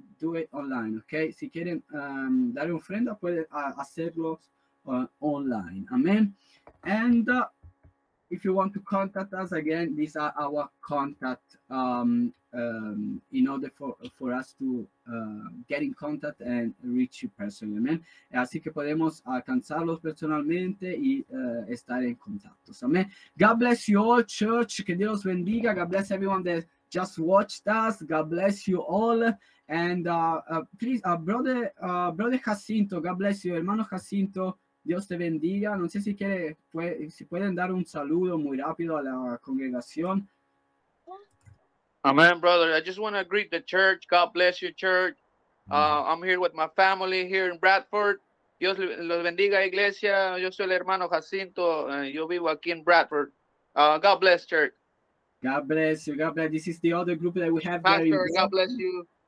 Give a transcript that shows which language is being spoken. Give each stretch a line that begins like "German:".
English: Do it online, okay?
Spanish: Si quieren dar ofrenda, pueden hacerlo online. Amen.
English: And if you want to contact us again, these are our contact in order for us to get in contact and reach you personally. Amen.
Spanish: Así que podemos alcanzarlos personalmente y estar en contacto.
English: Amen. God bless you all, church.
Spanish: Que Dios bendiga.
English: God bless everyone that just watched us. God bless you all. And please, brother Jacinto, God bless you.
Spanish: Hermano Jacinto, Dios te bendiga. No sé si quiere, si pueden dar un saludo muy rápido a la congregación.
English: Amen, brother. I just want to greet the church. God bless you, church. I'm here with my family here in Bradford.
Spanish: Dios los bendiga, iglesia. Yo soy el hermano Jacinto. Yo vivo aquí en Bradford.
English: God bless, church. God bless you. God bless. This is the other group that we have. Pastor, there. God bless you.